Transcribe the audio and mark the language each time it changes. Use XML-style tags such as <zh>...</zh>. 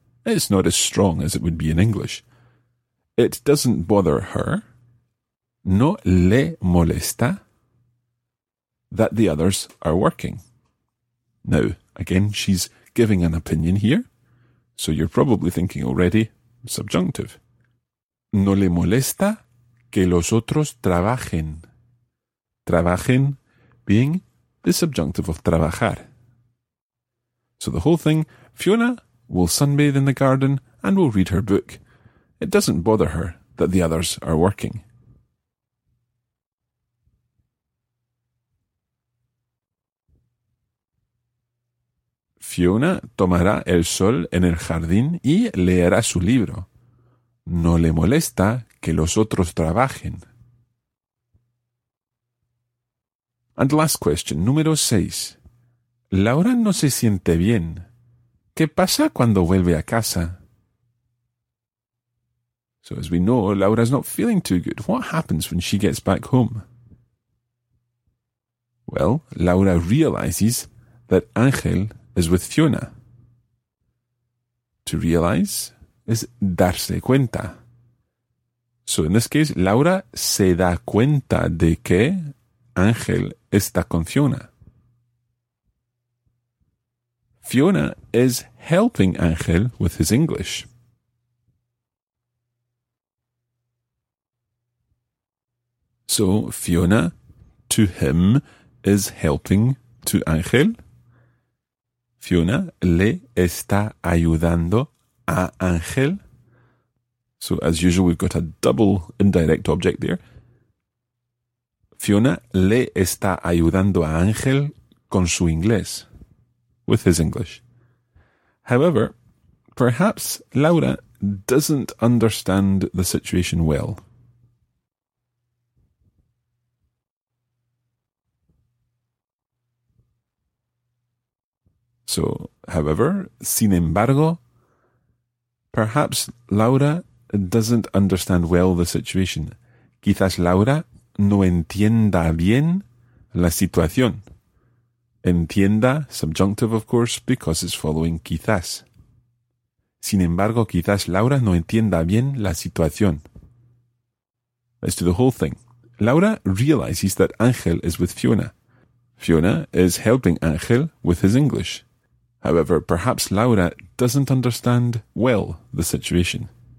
<en>It's not as strong as it would be in English. It doesn't bother her,</en> <es>no le molesta,</es> <en>that the others are working. Now, again, she's giving an opinion here, so you're probably thinking already, subjunctive.</en> <es>No le molesta que los otros trabajen.</es> <en>Trabajen being the subjunctive of trabajar. So the whole thing, Fiona will sunbathe in the garden and will read her book. It doesn't bother her that the others are working.</en> <es>Fiona tomará el sol en el jardín y leerá su libro. No le molesta que los otros trabajen.</es> <en>And last question,</en> <es>número 6. Laura no se siente bien. ¿Qué pasa cuando vuelve a casa?</es> <en>So as we know, Laura's not feeling too good. What happens when she gets back home? Well, Laura realizes that Ángel is with Fiona. To realize is</en> <es>darse cuenta.</es> <en>So in this case,</en> <es>Laura se da cuenta de que Ángel está con Fiona.</es> <en>Fiona is helping Ángel with his English. So Fiona to him is helping to Ángel.</en> <es>Fiona le está ayudando a Ángel.</es> <en>So as usual, we've got a double indirect object there.</en> <es>Fiona le está ayudando a Ángel con su inglés.</es> <en>With his English. However, perhaps Laura doesn't understand the situation well. So, however,</en> <es>sin embargo,</es> <en>perhaps Laura doesn't understand well the situation.</en> <es>Quizás Laura no entienda bien la situación.</es> <en>Entienda, subjunctive of course, because it's following quizás.</en> <es>Sin embargo, quizás Laura no entienda bien la situación.</es> <en>Let's do the whole thing. Laura realizes that Ángel is with Fiona. Fiona is helping Ángel with his English. However, perhaps Laura doesn't understand well the situation.</en>